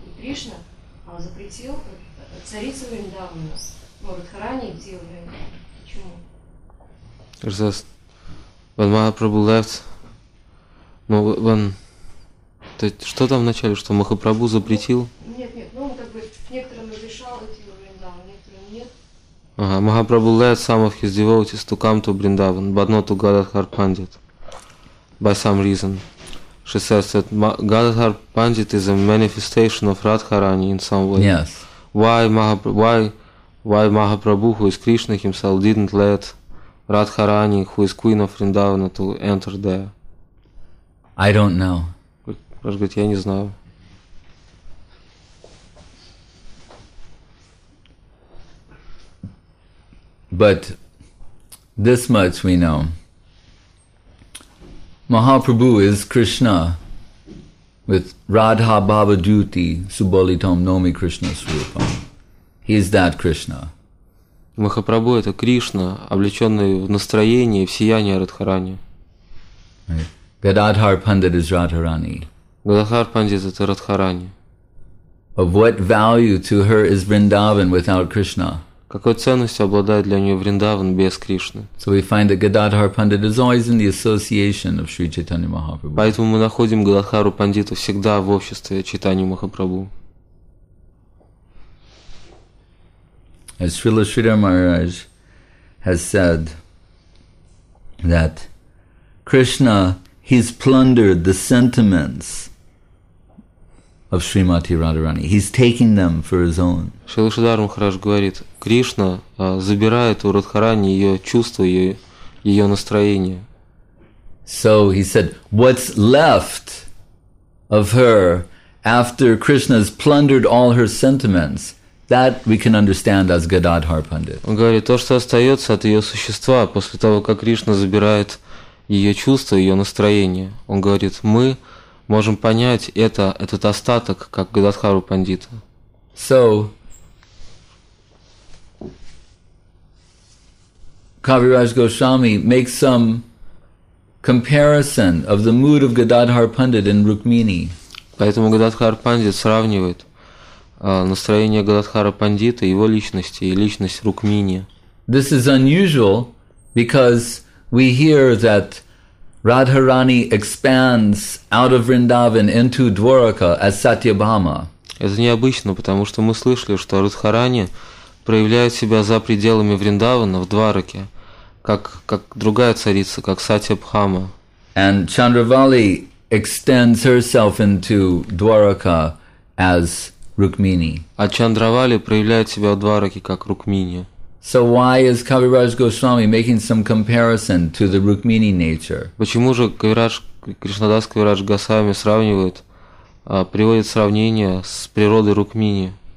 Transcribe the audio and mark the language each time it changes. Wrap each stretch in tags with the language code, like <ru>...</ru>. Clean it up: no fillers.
<ru>И Кришна запретил царицу Вриндавана, но Радхарани идти во Вриндаван. Почему?</ru> <en>When Mahaprabhu left, no, when,</en> <ru>то есть, что там вначале, что Махапрабху запретил? Нет, ну он как бы некоторым разрешал идти во Вриндаван, некоторым нет.</ru> <en>Ага, Махапрабху left some of his devotees to come to Vrindavan, but not to Gadadhar Pandit, by some reason. She says that Gadadhar Pandit is a manifestation of Radharani in some way. Yes. Why Mahaprabhu, who is Krishna himself, didn't let Radharani, who is queen of Vrindavana, to enter there? I don't know.</en> <ru>Раш говорит, я не знаю.</ru> <en>But this much we know. Mahaprabhu is Krishna with Radha Bhava Dhuti Subolitam Nomi Krishna Swarupam. He is that Krishna.</en> <ru>Махапрабху – это Кришна, облеченный в настроение, в сияние Радхарани. Гададхар Пандит – это Радхарани. Гададхар Пандит – это Радхарани.</ru> <en>Of what value to her is Vrindavan without Krishna?</en> <ru>Какой ценностью обладает для нее Вриндаван без Кришны?</ru> <en>So we find that Gadadhar Pandit is always in the association of Sri Chaitanya Mahaprabhu.</en> <ru>Поэтому мы находим Гададхару Пандиту всегда в обществе Чайтаньи Махапрабху.</ru> <en>As Srila Sridhar Maharaj has said that Krishna, he's plundered the sentiments of Srimati Radharani. He's taking them for his own.</en> <ru>Srila Sridhar Maharaj говорит, Кришна забирает у Радхарани ее чувства, ее настроение.</ru> <en>So he said, what's left of her after Krishna's plundered all her sentiments? That we can understand as Gadadhar Pandit.</en> <ru>Он говорит, то, что остается от ее существа после того, как Кришна забирает ее чувства, ее настроение. Он говорит, мы можем понять этот остаток как Гададхару Пандита.</ru> <en>So, Kaviraj Goswami makes some comparison of the mood of Gadadhar Pandit in Rukmini.</en> <ru>Поэтому Гададхар Пандит сравнивает настроение Гададхара Пандита, его личности и личность Рукмини.</ru> <en>This is unusual because we hear that Radharani expands out of Vrindavan into Dwaraka as Satyabhama.</en> <ru>Это необычно, потому что мы слышали, что Радхарани проявляет себя за пределами Вриндавана в Двараке, как другая царица, как Сатьябхама.</ru> <en>And Chandravali extends herself into Dwaraka as Rukmini.</en> <ru>А Чандравали проявляет себя в Двараке как Рукмини.</ru> <en>So why is Kaviraj Goswami making some comparison to the Rukmini nature?</en> <ru>Почему же Кришнадас Кавирадж Госвами сравнивает, приводит сравнение с природой Рукмини?</ru>